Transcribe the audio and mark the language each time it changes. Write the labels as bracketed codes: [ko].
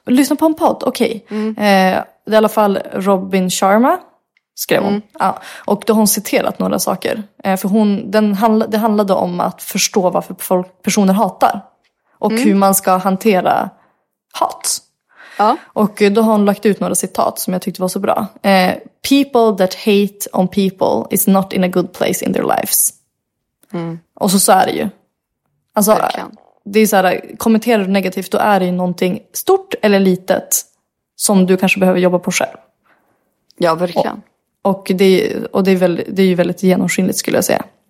[sv] Lyssnat på en podd, okej. Okay. Det är i alla fall Robin Sharma. skrev hon. Mm. Ja. Och då har hon citerat några saker. För hon, det handlade om att förstå varför folk, personer hatar. Och hur man ska hantera hat. Ja. Och då har hon lagt ut några citat som jag tyckte var så bra. [en] People that hate on people is not in a good place in their lives. Mm. [sv] Och så är det ju. Alltså, det är så här, kommenterar du negativt, då är det ju någonting stort eller litet som du kanske behöver jobba på själv. Ja, verkligen. Och det är ju väldigt genomskinligt skulle jag säga.